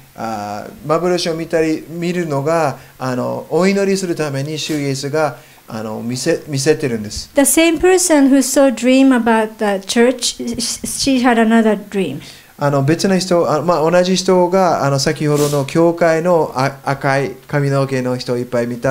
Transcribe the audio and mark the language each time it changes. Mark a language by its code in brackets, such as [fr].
[ja] 幻を見たり見るのがお祈りするために主イエスが見せてるんです。 [en] The same person who saw dream about the church, she had another dream. [ja] 別な人、同じ人が先ほどの教会の赤い髪の毛の人をいっぱい見た。